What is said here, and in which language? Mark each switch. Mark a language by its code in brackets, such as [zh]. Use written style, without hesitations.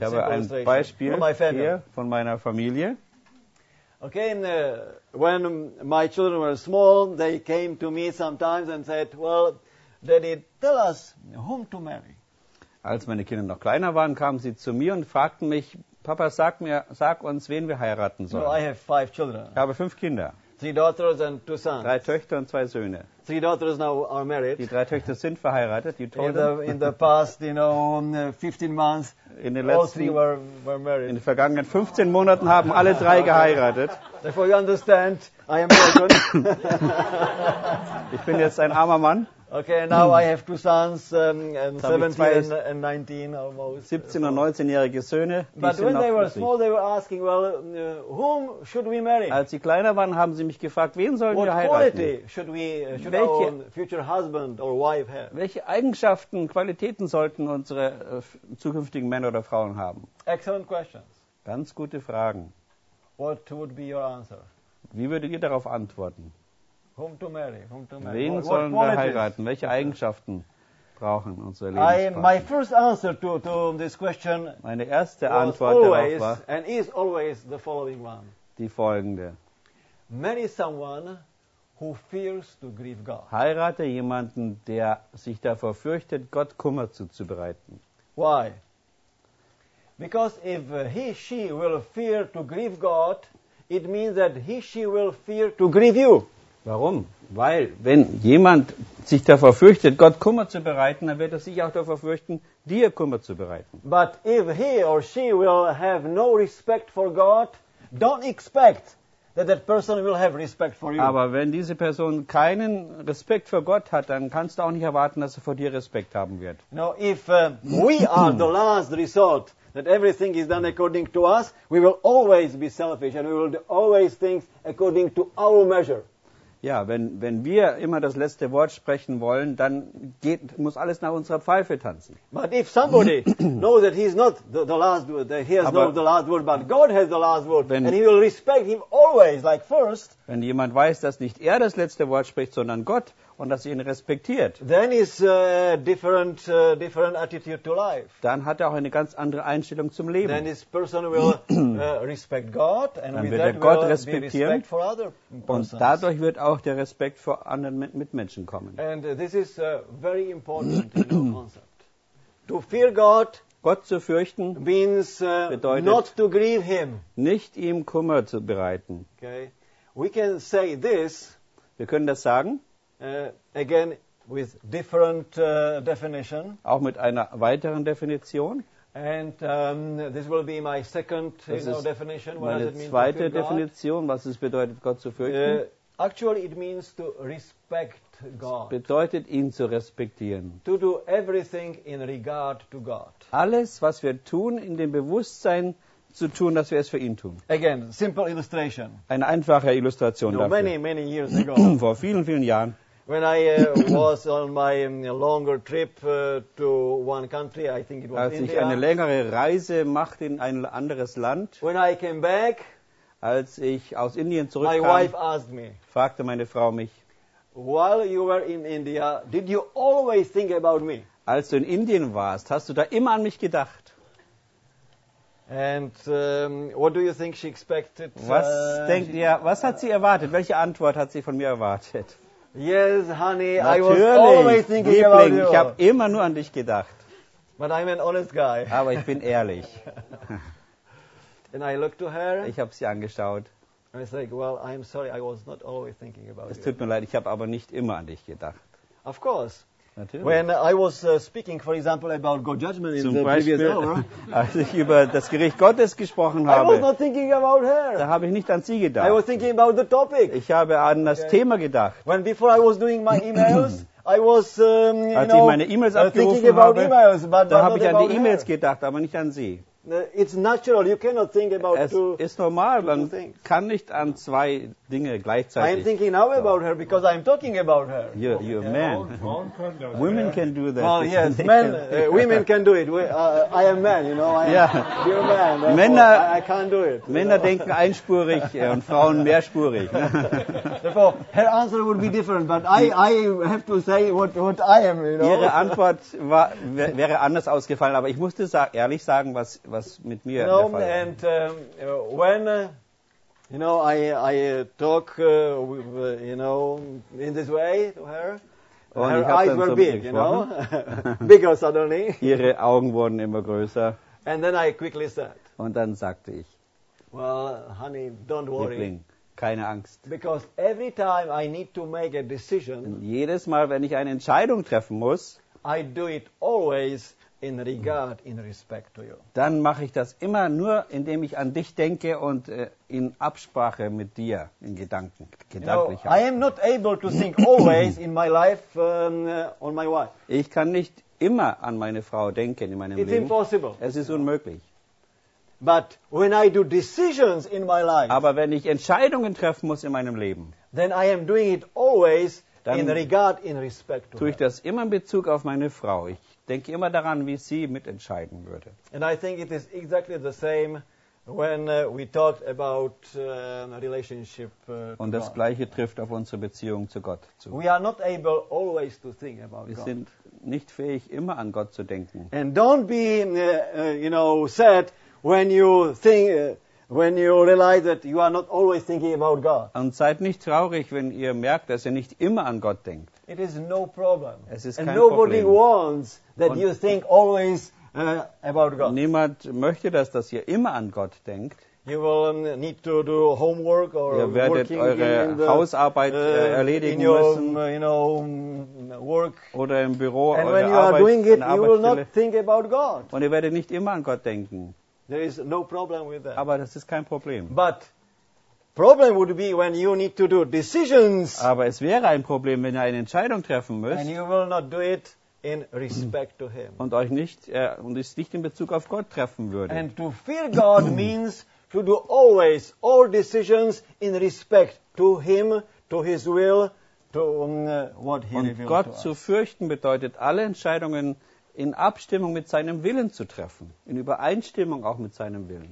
[de] Ich habe ein Beispiel hier von meiner Familie. [en] Okay, and, when my children were small, they came to me sometimes and said, well, Daddy, tell us whom to marry. [de] Als meine Kinder noch kleiner waren, kamen sie zu mir und fragten mich, Papa, sag uns, wen wir heiraten sollen. [en] No, I have five children. [de] Ich habe 5 Kinder. [en] 3 daughters and 2 sons. [de] 3 Töchter und 2 Söhne. [en] 3 daughters now are married. [de] Die 3 Töchter sind verheiratet. [en] You told them. In the past, you know, 15 months, all three were married. [de] In den vergangenen 15 Monaten haben alle 3 geheiratet. [en] Therefore you understand, I am broken. [de] Ich bin jetzt ein armer Mann. [en] Okay, now I have 2 sons, 17 and 19 almost. [de] 17 und 19-jährige Söhne. [en] But when they were small, they were asking, well, whom should we marry? [de] Als sie kleiner waren, haben sie mich gefragt, wen sollen wir heiraten? [en] What quality should our future husband or wife have? [de] Welche Eigenschaften, Qualitäten sollten unsere zukünftigen Männer oder Frauen haben? [en] Excellent questions. [de] Ganz gute Fragen. [en] What would be your answer? [de] Wie würdet ihr darauf antworten? [en] Whom to marry? [de] Wen sollen wir heiraten? Welche Eigenschaften brauchen unsere Lebenspartner? [en] My first answer to this question [de] meine erste Antwort darauf war [en] and is always the following one. [de] Die folgende. [en] Marry someone who fears to grieve God. [de] Heirate jemanden, der sich davor fürchtet, Gott Kummer zuzubereiten. [en] Why? Because if he, she will fear to grieve God, it means that he, she will fear to grieve you. [de] Warum? Weil, wenn jemand sich davor fürchtet, Gott Kummer zu bereiten, dann wird er sich auch davor fürchten, dir Kummer zu bereiten. [en] But if he or she will have no respect for God, don't expect that that person will have respect for you. [de] Aber wenn diese Person keinen Respekt für Gott hat, dann kannst du auch nicht erwarten, dass er vor dir Respekt haben wird. [en] No, if we are the last resort, that everything is done according to us, we will always be selfish and we will always think according to our measure. [de] Ja, wenn wir immer das letzte Wort sprechen wollen, dann muss alles nach unserer Pfeife tanzen. [en] But if somebody knows that he is not the last word, that he has not the last word, but God has the last word, and he will respect him always, like first. [de] Wenn jemand weiß, dass nicht er das letzte Wort spricht, sondern Gott, und dass er ihn respektiert. [en] Then is a different attitude to life. [de] Dann hat er auch eine ganz andere Einstellung zum Leben. [en] Then this person will respect God, and [de] dann with that Gott will respektieren. [en] Be respect for other persons. [de] Und dadurch wird auch der Respekt vor anderen Mitmenschen kommen. [en] And this is very important in our concept. To fear God, [de] Gott zu fürchten, [en] means [de] bedeutet, [en] not to grieve him. [de] Nicht ihm Kummer zu bereiten. [en] Okay. We can say this. [de] Wir können das sagen. [en] Again with different definition. [de] Auch mit einer weiteren Definition. [en] And this will be my second definition. What does it mean? [de] Zweite Definition, was es bedeutet, Gott zu fürchten. [en] Actually, it means to respect God. [de] Es bedeutet, ihn zu respektieren. [en] To do everything in regard to God. [de] Alles, was wir tun, in dem Bewusstsein zu tun, dass wir es für ihn tun. [en] Again, simple illustration. [de] Eine einfache Illustration dafür. [en] Many years ago. [de] Vor vielen, vielen Jahren. [en] When I was on my longer trip to one country, I think it was [de] als [en] India. [de] Als ich eine längere Reise machte in ein anderes Land. [en] When I came back. [de] Als ich aus Indien zurückkam. [en] My wife asked me. [de] Fragte meine Frau mich. [en] While you were in India, did you always think about me? [de] Als du in Indien warst, hast du da immer an mich gedacht? [en] And what do you think she expected? [de] Was denkt ihr, was hat sie erwartet? Welche Antwort hat sie von mir erwartet? [en] Yes, honey, [de] natürlich, [en] I was always thinking [de] Liebling, [en] about you. [de] Ich habe immer nur an dich gedacht. [en] But I'm an honest guy. [de] Aber ich bin ehrlich. [en] And I looked to her. [de] Ich habe sie angeschaut. [en] I was like, well, I'm sorry, I was not always thinking about you. [de] Es tut mir leid, ich habe aber nicht immer an dich gedacht. [en] Of course. [de] Natürlich. [en] When I was speaking, for example, about God's judgment in [de] Zum [en] the [de] Beispiel, [en] previous hour, [de] als ich über das Gericht Gottes gesprochen habe, [en] I was not thinking about her. [de] Da habe ich nicht an sie gedacht. [en] I was thinking about the topic. [de] Ich habe an das Thema gedacht. [en] When before I was doing my emails, I was, [de] als ich meine E-Mails abgerufen [en] thinking about [de] habe, [en] emails, but [de] da habe ich an die E-Mails gedacht, aber nicht an sie. [en] It's natural. You cannot think about [de] es [en] two. [de] Es ist normal. Man kann nicht an zwei Dinge gleichzeitig. [en] I'm thinking now about her because I'm talking about her. You're a man. Women can do that. Well, yes, men. Women can do it. I am man. You know. You're a man. [de] Männer. [en] I can't do it. [de] Männer denken einspurig und Frauen mehrspurig. [en] Therefore, her answer would be different. But I have to say what I am. You know. [de] Ihre Antwort wäre anders ausgefallen. Aber ich musste ehrlich sagen, was mit mir [en] no, and when you know I talk with, you know in this way to her, [de] und [en] her eyes were so big, you know, bigger suddenly. [de] Ihre Augen wurden immer größer. [en] And then I quickly said. [de] Und dann sagte ich. [en] Well, honey, don't worry. [de] Liebling, keine Angst. [en] Because every time I need to make a decision. [de] Und jedes Mal, wenn ich eine Entscheidung treffen muss. [en] I do it always. In regard, in respect to you. [de] Dann mache ich das immer nur, indem ich an dich denke und in Absprache mit dir, in Gedanken, gedanklich. [en] You know, I am not able to think always in my life on my wife. [de] Ich kann nicht immer an meine Frau denken in meinem [en] It's [de] Leben. [en] It's impossible. [de] Es ist unmöglich. [en] But when I do decisions in my life. [de] Aber wenn ich Entscheidungen treffen muss in meinem Leben. [en] Then I am doing it always [de] dann [en] in regard, in respect to [de] tue ich das immer in Bezug auf meine Frau. Ich denke immer daran, wie sie mitentscheiden würde. [en] And I think it is exactly the same when we talk about relationship. [de] Und das gleiche trifft auf unsere Beziehung zu Gott zu. [en] We are not able always to think about [de] wir [en] God. [de] Sind nicht fähig, immer an Gott zu denken. [en] And don't be, you know, sad when you think, when you realize that you are not always thinking about God. [de] Und seid nicht traurig, wenn ihr merkt, dass ihr nicht immer an Gott denkt. [en] It is no problem. [de] Es ist [en] and [de] kein [en] nobody [de] Problem. [en] Wants that und you think always about God. [de] Niemand möchte, dass ihr immer an Gott denkt. [en] You will need to do homework or [de] ihr werdet eure Hausarbeit erledigen müssen. [en] You know, work. [de] Oder im Büro [en] and [de] eure [en] when you [de] Arbeit, [en] are doing it, you will not think about God. [de] Und ihr werdet nicht immer an Gott denken. [en] There is no problem with that. [de] Aber das ist kein Problem. [en] But problem would be when you need to do decisions. [de] Aber es wäre ein Problem, wenn ihr eine Entscheidung treffen müsst. [en] And you will not do it in respect to him. [de] Und euch nicht und es nicht in Bezug auf Gott treffen würde. [en] And to fear God means to do always all decisions in respect to him, to his will, to what he revealed to us. [de] Und Gott zu fürchten bedeutet alle Entscheidungen in Abstimmung mit seinem Willen zu treffen, in Übereinstimmung auch mit seinem Willen.